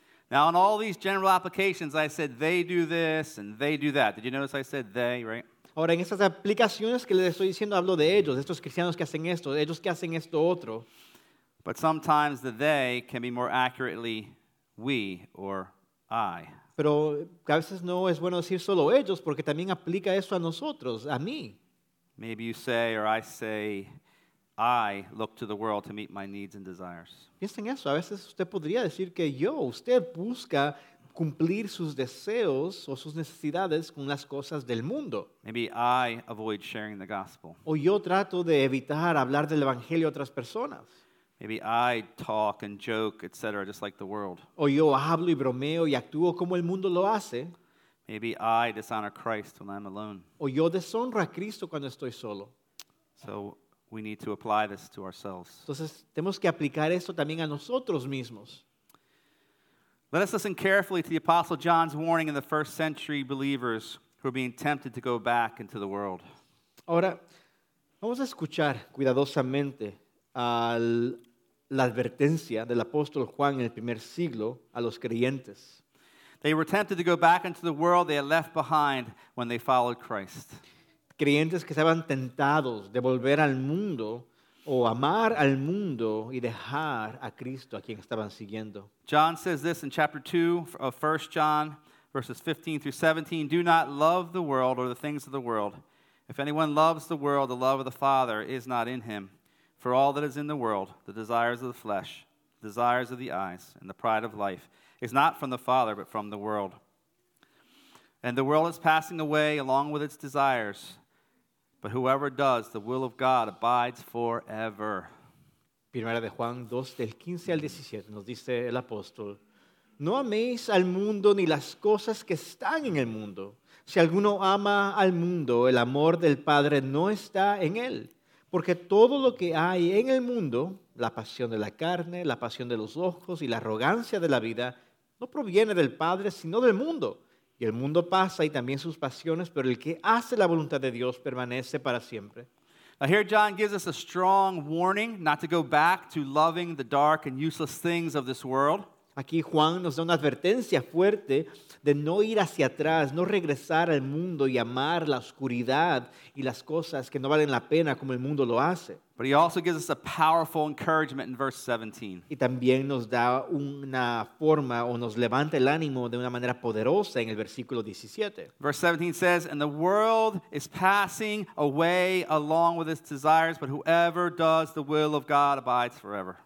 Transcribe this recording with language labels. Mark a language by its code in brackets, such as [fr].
[en] Now, in all these general applications, I said they do this and they do that. Did you notice I said they, right? [es] Ahora, en estas aplicaciones que les estoy diciendo, hablo de ellos, de estos cristianos que hacen esto, de ellos que hacen esto otro. [en] But sometimes the they can be more accurately we or I. [es] Pero a veces no es bueno decir solo ellos, porque también aplica eso a nosotros, a mí. [en] Maybe you say or I say, I look to the world to meet my needs and desires. [es] Piensen eso. A veces usted podría decir que yo, usted busca cumplir sus deseos o sus necesidades con las cosas del mundo. [en] Maybe I avoid sharing the gospel. [es] O yo trato de evitar hablar del evangelio a otras personas. [en] Maybe I talk and joke, etc., just like the world. [es] O yo hablo y bromeo y actúo como el mundo lo hace. [en] Maybe I dishonor Christ when I'm alone. [es] O yo deshonro a Cristo cuando estoy solo. [en] So we need to apply this to ourselves. [es] Entonces, tenemos que aplicar esto también a nosotros mismos. [en] Let us listen carefully to the Apostle John's warning in the first century believers who are being tempted to go back into the world. [es] Ahora, vamos a escuchar cuidadosamente la advertencia del apóstol Juan en el primer siglo a los creyentes. [en] They were tempted to go back into the world they had left behind when they followed Christ. [es] Creyentes que estaban tentados de volver al mundo o amar al mundo y dejar a Cristo a quien estaban siguiendo. [en] John says this in chapter 2 of 1 John, verses 15 through 17. Do not love the world or the things of the world. If anyone loves the world, the love of the Father is not in him. For all that is in the world, the desires of the flesh, the desires of the eyes, and the pride of life, is not from the Father, but from the world. And the world is passing away along with its desires, but whoever does the will of God abides forever. [es] Primera de Juan 2, del 15 al 17, nos dice el apóstol, No améis al mundo ni las cosas que están en el mundo. Si alguno ama al mundo, el amor del Padre no está en él. Porque todo lo que hay en el mundo, la pasión de la carne, la pasión de los ojos y la arrogancia de la vida, no proviene del Padre, sino del mundo. Y el mundo pasa y también sus pasiones, pero el que hace la voluntad de Dios permanece para siempre. [en] Now here John gives us a strong warning not to go back to loving the dark and useless things of this world. [es] Aquí Juan nos da una advertencia fuerte de no ir hacia atrás, no regresar al mundo y amar la oscuridad y las cosas que no valen la pena como el mundo lo hace. [en] But he also gives us a powerful encouragement in verse 17. [es] Y también nos da una forma o nos levanta el ánimo de una manera poderosa en el versículo 17. [en] Verse 17 says, And the world is passing away along with its desires, but whoever does the will of God abides forever.